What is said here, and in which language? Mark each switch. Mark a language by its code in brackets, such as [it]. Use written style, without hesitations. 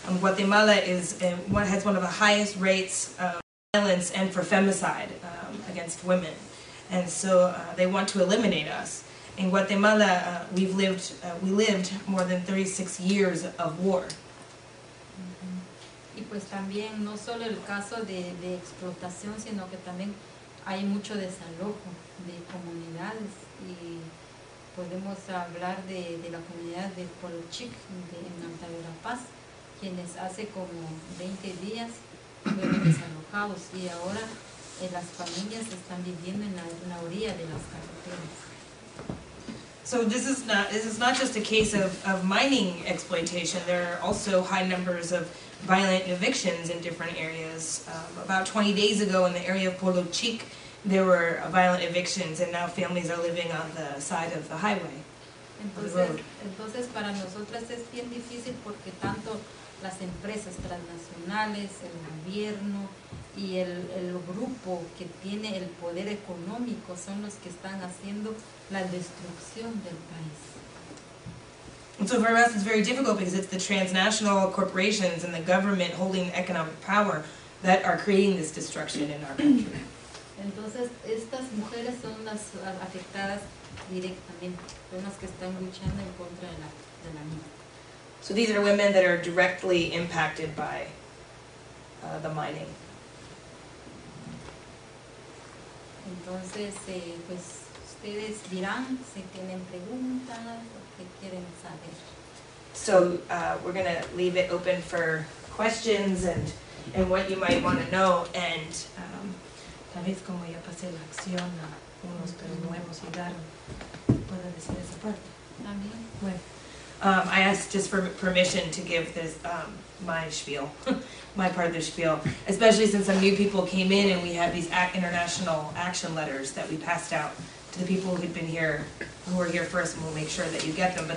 [en] Guatemala has one of the highest rates of violence and for femicide against women, and so they want to eliminate us. In Guatemala, we lived more than 36 years of war. [es] Y pues también no solo el caso de explotación, sino que también hay mucho desalojo de comunidades, y podemos hablar de la comunidad de Polochic en Alta Verapaz, quienes hace como 20 días fueron desalojados, y ahora las familias están viviendo en la orilla de las carreteras. [en] So this is not just a case of mining exploitation. There are also high numbers of violent evictions in different areas. About 20 days ago in the area of Polochic, there were violent evictions, and now families are living on the side of the highway, [es] entonces, [en] the road. [es] Entonces para nosotras es bien difícil porque tanto las empresas transnacionales, el gobierno y el grupo que tiene el poder económico son los que están haciendo la destrucción del país. [en] And so for us it's very difficult because it's the transnational corporations and the government holding economic power that are creating this destruction in our country. [es] Entonces estas mujeres son las afectadas directamente, son las que están luchando en contra de la mina. [en] So these are women that are directly impacted by the mining. [es] Entonces, pues ustedes dirán si tienen preguntas o qué quieren saber. [en] So we're going to leave it open for questions and what you might want to know. And [es] tal vez como ya pasé la acción a unos, pero no hemos llegado, puedo decir esa parte. También. Bueno. [en] I asked just for permission to give this my spiel, my part of the spiel, especially since some new people came in and we have these international action letters that we passed out to the people who've been here, who were here first, and we'll make sure that you get them.